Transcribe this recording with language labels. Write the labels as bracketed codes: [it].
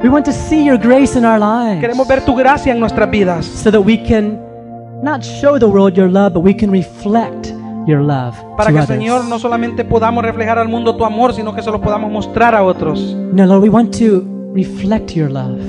[en] We want to see your grace in our lives. [es] Queremos ver tu gracia en nuestras vidas. [en] So that we can not show the world your love, but we can reflect your love to [es] Para que, [en] others. [es] Señor, no solamente podamos reflejar al mundo tu amor, sino que se lo podamos mostrar a otros. [en] No, Lord, we want to reflect your love.